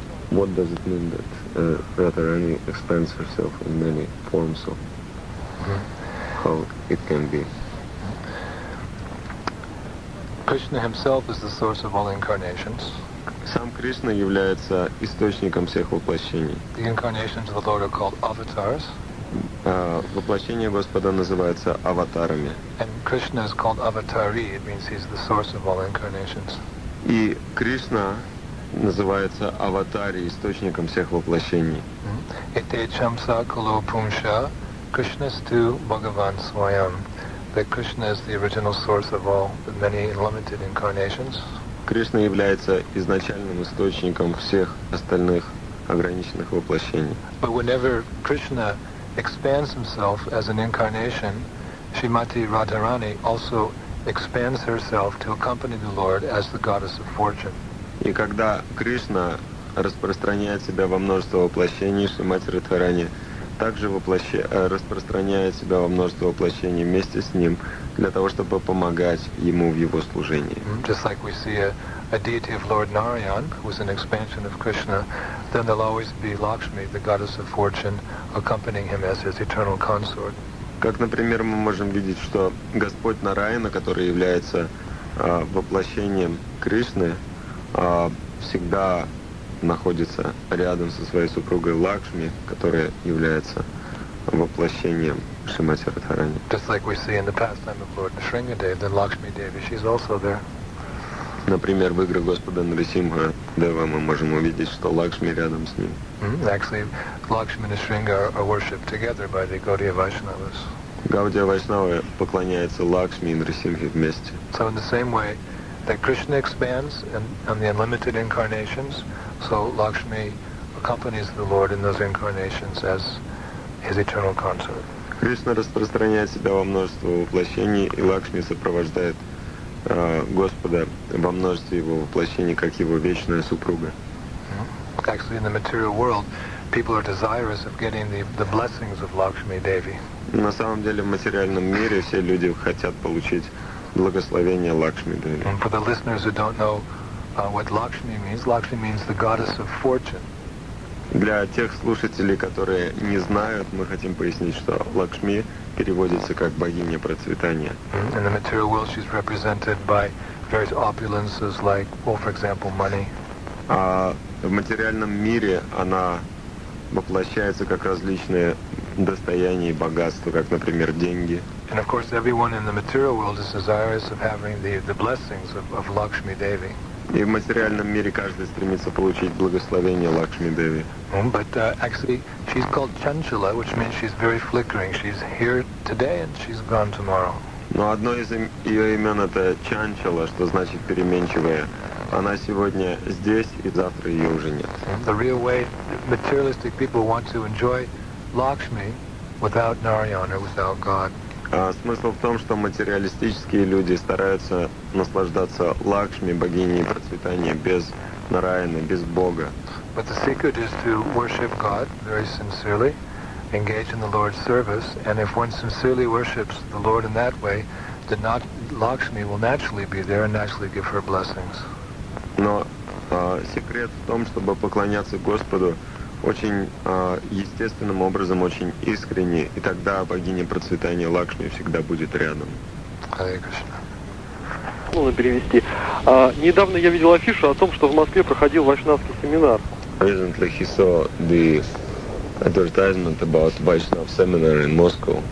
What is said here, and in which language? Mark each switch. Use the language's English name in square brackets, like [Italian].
[English] What does it mean that Radharani expands herself in many forms of how it can be? Krishna himself is the source of all incarnations. [Russian] Сам Кришна является источником всех воплощений. [English] The incarnations of the Lord are called avatars. [Russian] Воплощение Господа называется аватарами. [English] And Krishna is called Avatari. It means he's the source of all incarnations. [Russian] И Кришна называется аватари, источником всех воплощений. [Sanskrit] Ite chamsa kalo pumsha, Krishna stu Bhagavan swayam. [English] That Krishna is the original source of all the many unlimited incarnations. [Russian] Кришна является изначальным источником всех остальных ограниченных воплощений. [English] But whenever Krishna expands himself as an incarnation, Shrimati Radharani also expands herself to accompany the Lord as the goddess of fortune. [Russian] И когда Кришна распространяет себя во множество воплощений, Шри Мати Радхарани также распространяет себя во множество воплощений вместе с ним для того, чтобы помогать ему в его служении. [English] Just like we see a deity of Lord Narayan, who is an expansion of Krishna, then there'll always be Lakshmi, the goddess of fortune, accompanying him as his eternal consort. [Russian] Как, например, мы можем видеть, что Господь Нараяна, который является воплощением Кришны, всегда находится рядом со своей супругой Лакшми, которая является воплощением Шримати Радхарани. [English] Just like we see in the pastime of Lord Шрингадева, then Lakshmi Devi, she's also there. [Russian] Например, в играх Господа Нарисимха Дева мы можем увидеть, что Лакшми рядом с ним. [English] Actually, Lakshmi and Шринга are worshipped together by the Gaudiya Vaishnavas. [Russian] Гаудия Вайшнава поклоняется Лакшми и Нарисимхе вместе. [English] So in the same way that Krishna expands in the unlimited incarnations, so Lakshmi accompanies the Lord in those incarnations as his eternal consort. [Russian] Кришна распространяет себя во множество воплощений, и Лакшми сопровождает Господа во множестве его воплощений, как его вечная супруга. [English] Actually, in the material world, people are desirous of getting the blessings of Lakshmi Devi. [Russian] На самом деле, в материальном мире все люди хотят получить благословение Лакшми Деви. [English] And for the listeners who don't know what Lakshmi means the goddess of fortune. [Russian] Для тех слушателей, которые не знают, мы хотим пояснить, что Лакшми переводится как богиня процветания. [English] In the material world, she's represented by various opulences, like, well, for example, money. [Russian] А в материальном мире она воплощается как различные достояния и богатства, как, например, деньги. [English] And of course, everyone in the material world is desirous of having the blessings of Lakshmi Devi. [Russian] И в материальном мире каждый стремится получить благословение Лакшми Деви. [English] But actually, she's called Chanchala, which means she's very flickering. She's here today and she's gone tomorrow. [Russian] Но одно из ее имен — это Чанчала, что значит переменчивая. Она сегодня здесь, и завтра ее уже нет. [English] The real way materialistic people want to enjoy Lakshmi without Narayana, without God. [Russian] Смысл в том, что материалистические люди стараются наслаждаться Лакшми, богиней процветания, без Нараяны, без Бога. [English] But the secret is to worship God very sincerely, engage in the Lord's service, and if one sincerely worships the Lord in that way, then not Lakshmi will naturally be there and naturally give her blessings. [Russian] Но секрет в том, чтобы поклоняться Господу очень естественным образом, очень искренне, и тогда богиня процветания Лакшми всегда будет рядом. Харе Кришна. Можно перевести. Недавно я видел афишу о том, что в Москве проходил вайшнавский семинар. [English] Recently he saw the advertisement about Vaishnav seminar in Moscow.